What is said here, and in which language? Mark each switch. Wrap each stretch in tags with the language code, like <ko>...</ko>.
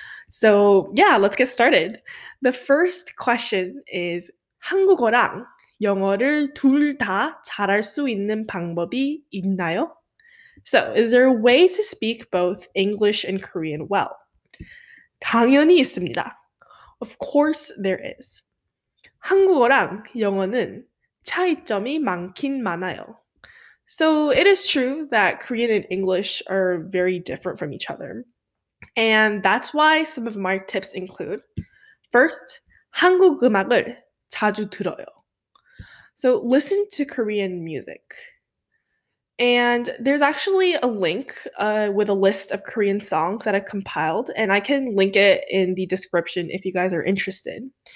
<en>So, yeah, let's get started. The first question is</en> <ko>한국어랑 영어를 둘다 잘할 수 있는 방법이 있나요?</ko> <en>So, is there a way to speak both English and Korean well?</en> <ko>당연히 있습니다.</ko> <en>Of course there is.</en> <ko>한국어랑 영어는 차이점이 많긴 많아요.</ko> <en>So, it is true that Korean and English are very different from each other. And that's why some of my tips include, first,</en> <ko>한국 음악을 자주 들어요.</ko> <en>So listen to Korean music. And there's actually a link with a list of Korean songs that I compiled, and I can link it in the description if you guys are interested.</en>